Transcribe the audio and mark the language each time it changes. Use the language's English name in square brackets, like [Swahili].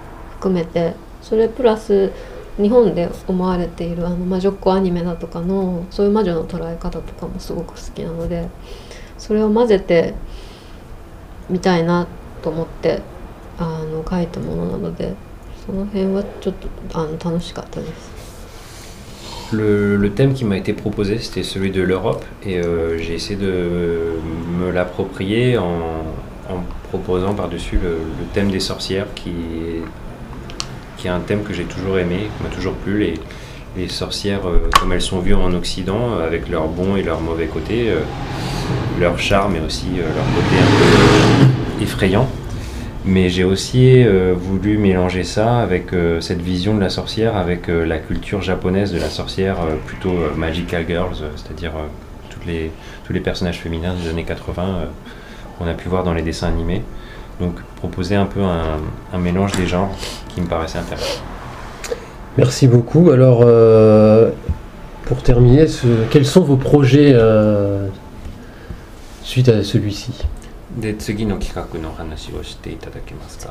[Japanese] 含めて、それプラス日本で思われている魔女っ子アニメだとかのそういう魔女の捉え方とかもすごく好きなので、それを混ぜてみたいなと思って書いたものなので、その辺はちょっと楽しかったです。 [French] Le thème qui m'a été proposé, c'était celui de l'Europe, et j'ai essayé de me l'approprier en proposant par-dessus le thème des sorcières, qui est un thème que j'ai toujours aimé, qui m'a toujours plu. Les sorcières, comme elles sont vues en Occident, avec leurs bons et leurs mauvais côtés, leur charme et aussi leur côté un peu effrayant. Mais j'ai aussi voulu mélanger ça avec cette vision de la sorcière, avec la culture japonaise de la sorcière, plutôt magical girls, c'est-à-dire tous les personnages féminins des années 80 qu'on a pu voir dans les dessins animés. Donc proposer un peu un mélange des genres qui me paraissait intéressant. Merci beaucoup. Alors, pour terminer, quels sont vos projets suite à celui-ci ? [Japanese] で、次の企画の話をしていただけますか。